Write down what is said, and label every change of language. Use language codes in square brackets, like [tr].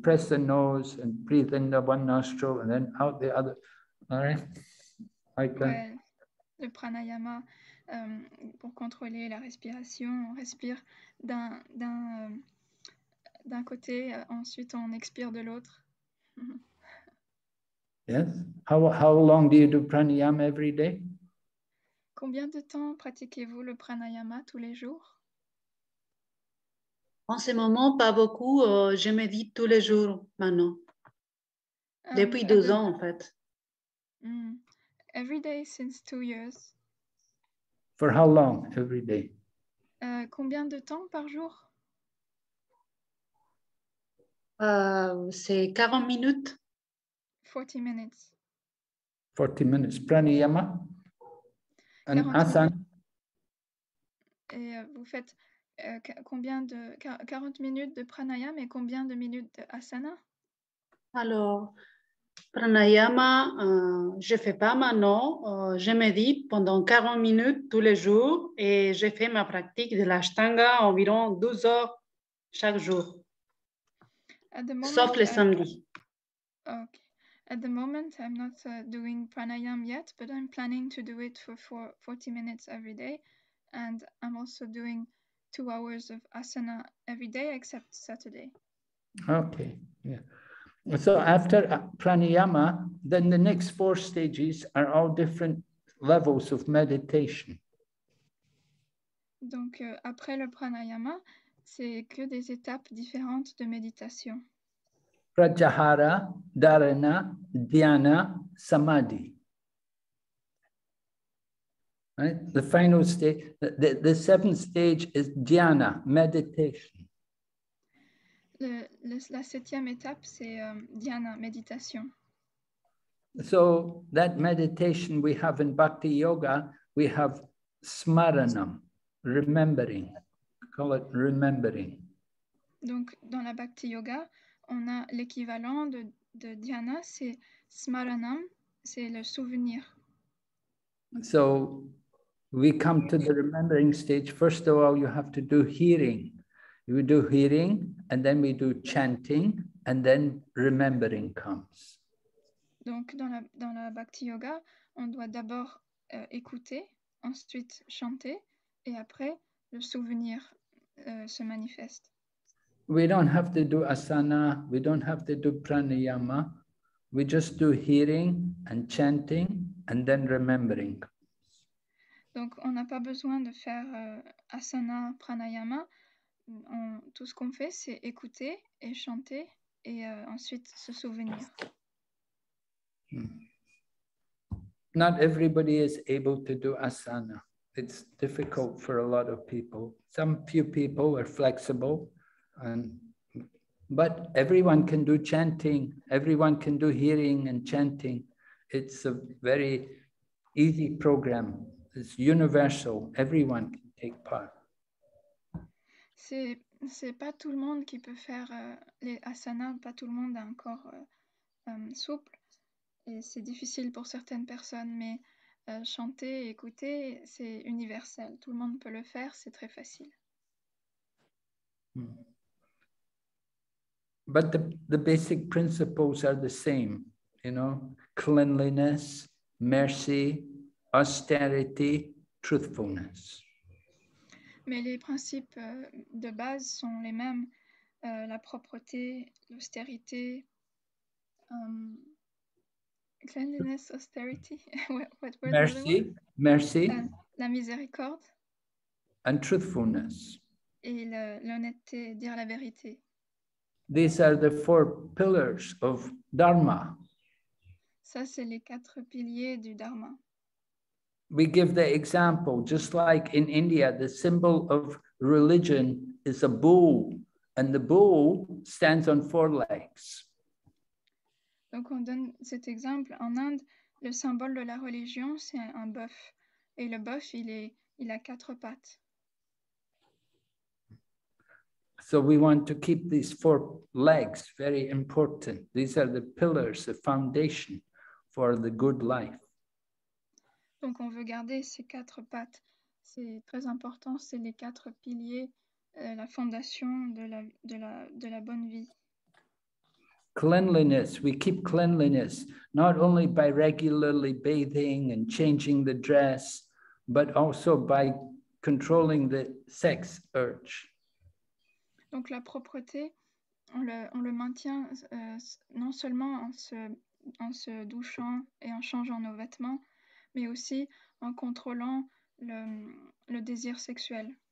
[en] Press the nose and breathe in the one nostril and then out the other. All right? Like that. [fr] Le pranayama, pour contrôler la respiration, on respire d'un côté, ensuite on expire de l'autre. [en] Yes. How long do you do pranayama every day? [fr] Combien de temps pratiquez-vous le pranayama tous les jours? En ce moment, pas beaucoup. Je médite tous les jours maintenant. Depuis 2 ans, en fait. [en] Mm. Every day since 2 years. For how long every day? [fr] Combien de temps par jour? C'est 40 minutes. 40 minutes. [en] 40 minutes. Pranayama. And asana. [fr] Et vous faites combien de 40 minutes de pranayama et combien de minutes de asana? Alors, Pranayama, je ne fais pas maintenant. Je médite pendant 40 minutes tous les jours et je fais ma pratique de l'ashtanga environ 12 heures chaque jour. Sauf le samedi. [en] At the moment, I'm not doing pranayama yet, but I'm planning to do it for 40 minutes every day. And I'm also doing 2 hours of asana every day except Saturday. Okay, yeah. So after pranayama, then the next 4 stages are all different levels of meditation. [fr] Donc après le pranayama, c'est que des étapes différentes de méditation. Pratyahara, dharana, dhyana, samadhi. [en] Right? The final stage, the seventh stage is dhyana, meditation. [fr] La septième étape, c'est dhyana, méditation. [en] So that meditation we have in Bhakti Yoga, we have smaranam, remembering. Call it remembering. [fr] Donc, dans la Bhakti Yoga, on a l'équivalent de dhyana, c'est smaranam, c'est le souvenir. [en] So, we come to the remembering stage. First of all, you have to do hearing. You do hearing, and then we do chanting, and then remembering comes. [fr] Donc, dans la Bhakti Yoga, on doit d'abord écouter, ensuite chanter, et après, le souvenir se manifeste. [en] We don't have to do asana, we don't have to do pranayama, we just do hearing and chanting and then remembering. [fr] Donc on n'a pas besoin de faire asana, pranayama, tout ce qu'on fait c'est écouter et chanter et ensuite se souvenir. [en] Not everybody is able to do asana. It's difficult for a lot of people. Some few people are flexible. But everyone can do chanting, everyone can do hearing and chanting. It's a very easy program. It's universal. Everyone can take part. [fr] C'est pas tout le monde qui peut faire les asanas, pas tout le monde a un corps souple. Et c'est difficile pour certaines personnes, mais chanter, écouter, c'est universel. Tout le monde peut le faire, c'est très facile. [en] But the basic principles are the same, you know, cleanliness, mercy, austerity, truthfulness. [fr] Mais les principes de base sont les mêmes, la propreté, l'austérité, [en] cleanliness, austerity, what were mercy, the words? Mercy, [fr] la miséricorde, [en] and truthfulness, [fr] et l'honnêteté, dire la vérité. [en] These are the 4 pillars of Dharma. [fr] Ça, c'est les 4 piliers du Dharma. [en] We give the example, just like in India, the symbol of religion is a bull, and the bull stands on 4 legs. [fr] Donc, on donne cet exemple. En Inde, le symbole de la religion, c'est un bœuf. Et le bœuf, il a 4 pattes. [en] So we want to keep these 4 legs very important. These are the pillars, the foundation for the good life. [fr] Donc on veut garder ces 4 pattes. C'est très important, c'est les 4 piliers, la fondation de la bonne vie. [en] Cleanliness, we keep cleanliness, not only by regularly bathing and changing the dress, but also by controlling the sex urge. [fr] Donc la propreté, on le maintient non seulement en se douchant et en changeant nos vêtements, mais aussi en contrôlant le désir sexuel.